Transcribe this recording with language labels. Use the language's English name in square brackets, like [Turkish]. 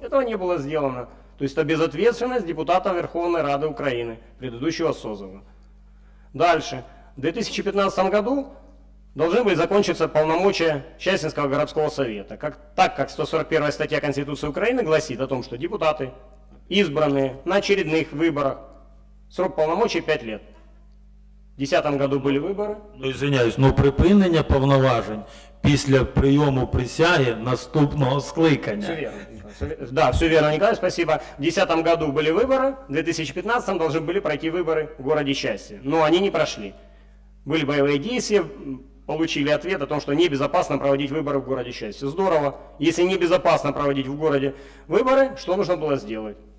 [Russian] Этого не было сделано. То есть это безответственность депутата Верховной Рады Украины, предыдущего Созова. Дальше. В 2015 году должны были закончиться полномочия Счастинского городского совета. Так как 141 статья Конституции Украины гласит о том, что депутаты, избранные на очередных выборах, срок полномочий 5 лет. В 2010 году были выборы. Ну, извиняюсь, но [Ukrainian] припинення повноважень після прийому присяги наступного скликання. [Russian] Все верно. Да, все верно, Николай, спасибо. В 2010 году были выборы, в 2015 должны были пройти выборы в городе Счастье. Но они не прошли. Были боевые действия, получили ответ о том, что небезопасно проводить выборы в городе Счастье. Здорово. Если небезопасно проводить в городе выборы, что нужно было сделать?